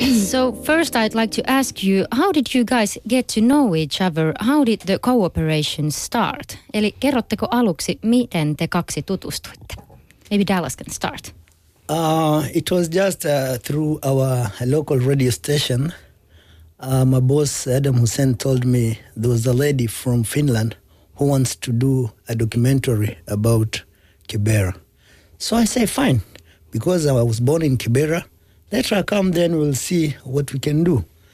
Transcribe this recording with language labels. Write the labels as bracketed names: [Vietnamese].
[English] So first I'd like to ask you, how did you guys get to know each other? How did the cooperation start? [Finnish] Eli kerrotteko aluksi, miten te kaksi tutustuitte? [English] Maybe Dallas can start. It was just through our local radio station. My boss, Adam Hussein, told me there was a lady from Finland who wants to do a documentary about Kibera. So I say, fine, because I was born in Kibera. Let her come, then we'll see what we can do.